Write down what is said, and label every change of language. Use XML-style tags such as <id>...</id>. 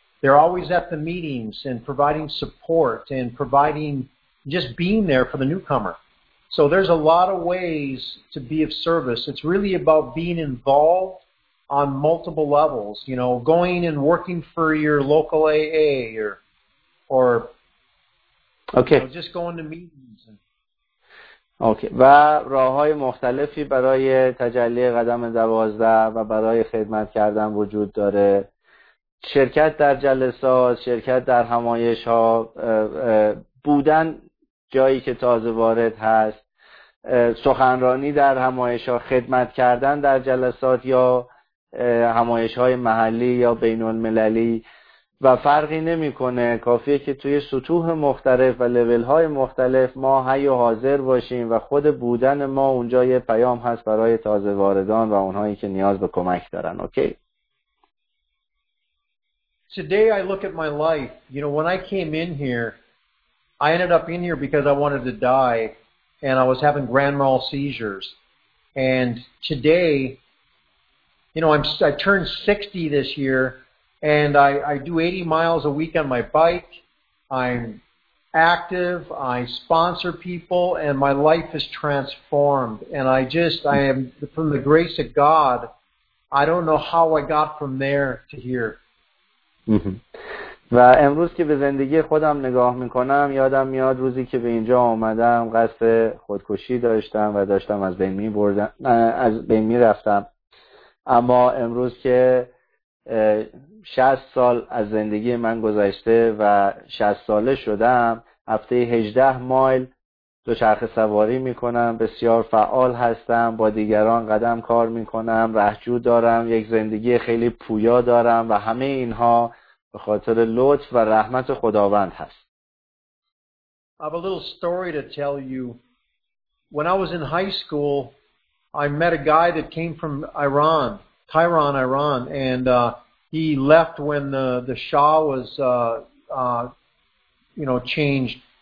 <en>They're always at the meetings and providing support and providing just being there for the newcomer. So there's a lot of ways to be of service. It's really about being involved on multiple levels, you know, going and working for your local AA or Okay. You know, just going to meetings. Okay.</en> <fa>و راه‌های مختلفی برای تجلی قدم 12 و برای خدمت کردن وجود داره. شرکت در جلسات، شرکت در همایش‌ها، بودن جایی که تازه وارد هست، سخنرانی در همایش‌ها، خدمت کردن در جلسات یا همایش‌های محلی یا بین‌المللی، و فرقی نمی‌کنه، کافیه که توی سطوح مختلف و لول‌های مختلف ما حی و حاضر باشیم و خود بودن ما اونجا یه پیام هست برای تازه واردان و اونهایی که نیاز به کمک دارن. اوکی؟</fa> <en>Today I look at my life. You know, when I came in here, I ended up in here because I wanted to die and I was having grand mal seizures. And today, you know, I turned 60 this year and I do 80 miles a week on my bike. I'm active, I sponsor people, and my life is transformed. And I am, from the grace of God, I don't know how I got from there to here.</en> <fa>و امروز که به زندگی خودم نگاه میکنم، یادم میاد روزی که به اینجا آمدم قصد خودکشی داشتم و داشتم از بین می رفتم. اما امروز که 60 سال از زندگی من گذشته و 60 ساله شدم، هفته 18 مایل دوچرخه سواری میکنم، بسیار فعال هستم، با دیگران قدم کار میکنم، رهجو دارم، یک زندگی خیلی پویا دارم و همه اینها به خاطر لطف و رحمت خداوند هست.</fa> <en>I have a little story to tell you. When I was in high school, I met a guy that came from Iran, Tehran, Iran, and he left when the Shah was changed.</en>